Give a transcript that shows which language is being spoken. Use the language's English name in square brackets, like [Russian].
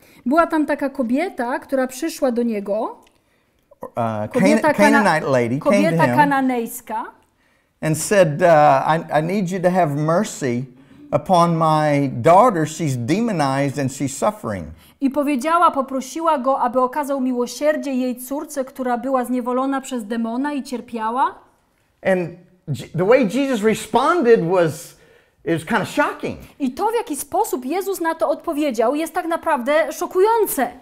[Polish] Była tam taka kobieta, która przyszła do niego. Kobieta kananejska. [English] And said, I need you to have mercy upon my daughter. She's demonized and she's suffering. [Polish] I powiedziała, poprosiła go, aby okazał miłosierdzie jej córce, która była zniewolona przez demona i cierpiała. [English] And the way Jesus responded was, it was kind of shocking. [Polish] I to, w jaki sposób Jezus na to odpowiedział, jest tak naprawdę szokujące.